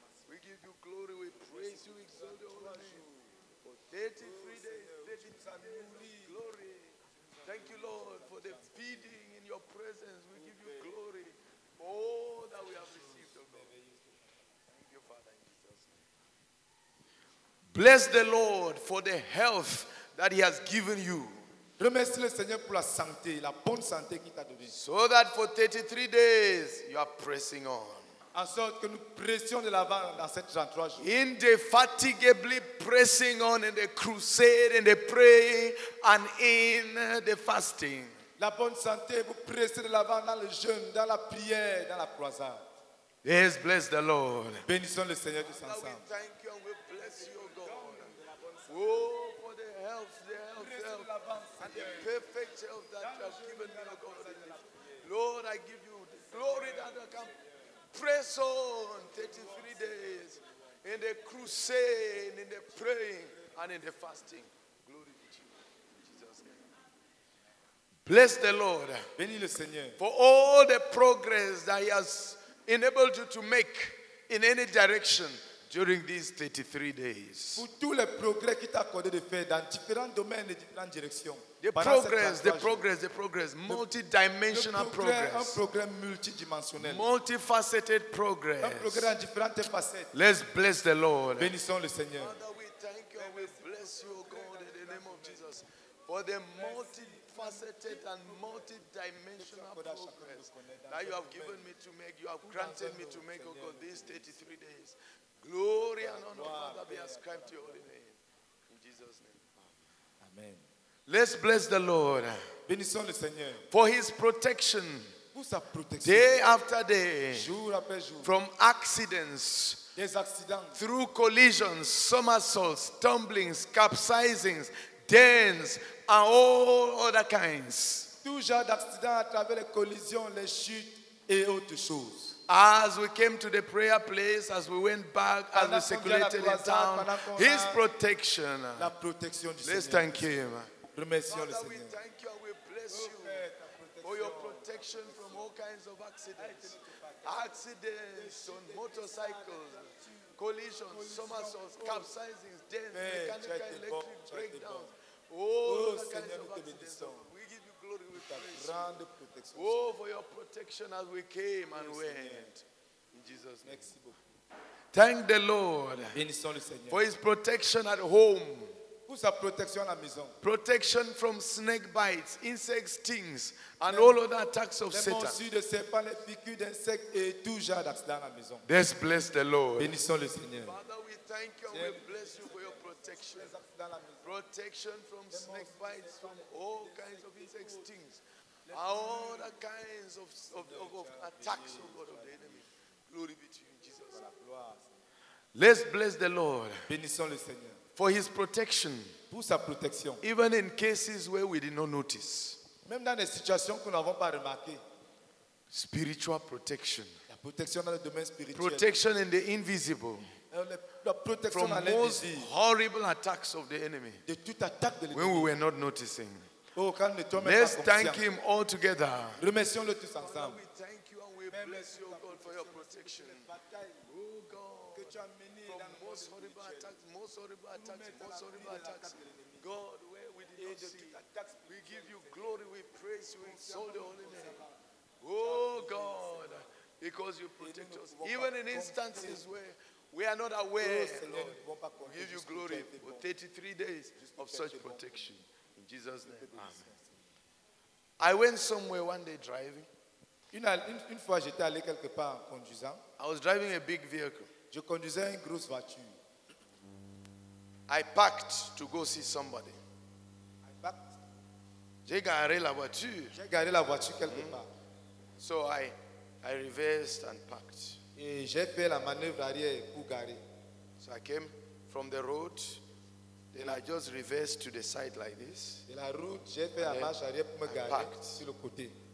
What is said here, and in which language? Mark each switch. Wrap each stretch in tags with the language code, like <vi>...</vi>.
<en>We give you glory, we praise you, exalt your holy name. For 33 days, 33 days of glory. Thank you, Lord, for the feeding in your presence. We give you glory for all that we have received, oh God. Thank you, Father, in Jesus' name. Bless the Lord for the health that he has given you.</en> <fr>Remercie le Seigneur pour la santé, la bonne santé qu'il t'a donnée.</fr> <en>So that for 33 days you are pressing on.</en> <fr>En sorte que nous pressions de l'avant dans ces 33 jours.</fr> <en>Indefatigably pressing on in the crusade, in the prayer, and in the fasting.</en> <fr>La bonne santé vous presser de l'avant dans le jeûne, dans la prière, dans la croisade.</fr> <en>Yes, bless the Lord.</en> <fr>Bénissons le Seigneur tous ensemble.</fr> <en>We thank you and we bless you, oh God. Oh. Health, and the perfect health that you have given me, oh God. Lord, I give you the glory that I can press on 33 days in the crusade, in the praying, and in the fasting. Glory to you, in Jesus' name. Bless the Lord for all the progress that he has enabled you to make in any direction. During these 33 days.</en> <fr>Pour tous les progrès qu'il t'a accordé de faire dans différents domaines et différentes directions.</fr> <en>The progress, multidimensional progress.</en> <fr>Un progrès multidimensionnel.</fr> <en>Multifaceted progress.</en> <fr>Un progrès en différentes facettes.</fr> <en>Let's bless the Lord.</en> <fr>Bénissons le Seigneur.</fr> <en>Father, we thank you and we bless you, O God, in the name of Jesus, for the multifaceted and multidimensional progress that you have given me to make, you have granted me to make, O God, these 33 days. Glory and honor, Father, be ascribed to your holy name. In Jesus' name. Amen. Let's bless the Lord.</en> <fr>Bénissons le Seigneur.</fr> <en>For his protection.</en> <fr>Pour sa protection.</fr> <en>Day after day.</en> <fr>Jour après jour.</fr> <en>From accidents.</en> <fr>Des accidents.</fr> <en>Through collisions, somersaults, tumblings, capsizings, dents, and all other kinds.</en> <fr>Tout genre d'accidents à travers les collisions, les chutes et autres choses.</fr> <en>As we came to the prayer place, as we went back, as we circulated in town, his protection.</en> <fr>La protection du</fr> <en>Let's</en> <fr>Seigneur.</fr> <en>Thank him. Father, we thank you and we bless you for your protection from all kinds of accidents. Accidents on motorcycles, collisions, somersaults, capsizing, dents, mechanical, electric breakdowns. All kinds of accidents. Glory with oh, for your protection as we came and went. In Jesus' name. Thank the Lord for his protection at home.</en> <fr>Pour sa protection à la maison.</fr> <en>Protection from snake bites, insect stings, and all other attacks of Satan.</en> <fr>Les morsures de serpents, les piqûres d'insectes et tout genre d'accident à la maison.</fr> <en>Let's bless the Lord.</en> <fr>Bénissons le Seigneur.</fr> <en>Father, we thank you and we bless you for your protection. Protection from snake bites, from all kinds of insect stings, all the kinds of attacks, oh God, of the enemy. Glory be to you, Jesus. Let's bless the Lord.</en> <fr>Bénissons le Seigneur.</fr> <en>For his protection,</en> <fr>pour sa protection,</fr> <en>even in cases where we did not notice,</en> <fr>même dans des situations que nous n'avons pas remarqué,</fr> <en>spiritual protection,</en> <fr>la protection dans le domaine spirituel,</fr> <en>protection in the invisible,</en> <fr>la protection</fr> <en>from most horrible attacks of the enemy,</en> <fr>de toute attaque de</fr> <en>when we were not noticing.</en> <fr>Oh, quand</fr> <en>let's thank conscience. Him all together.</en> <fr>Remercions-le tous ensemble.</fr> <en>We thank you and we bless you, God, for your protection. Oh God. From most horrible attacks, God, where we did not see, we give you glory, we praise you, we exalt the holy name. Oh God, because you protect us, even in instances where we are not aware, Lord, we give you glory for 33 days of such protection. In Jesus' name, amen. I went somewhere one day driving.</en> <fr>Une fois j'étais allé quelque part en conduisant.</fr> <en>I was driving a big vehicle.</en> <fr>Je conduisais une grosse voiture.</fr> <en>I packed to go see somebody. I packed.</en> <fr>J'ai garé la voiture quelque part.</fr> <en>So I reversed and packed.</en> <fr>Et j'ai fait la manœuvre arrière pour garer.</fr> <en>So I came from the road. Then I just reversed to the side like this.</en> <fr>De la route, j'ai fait la marche arrière pour me garer sur le côté.</fr>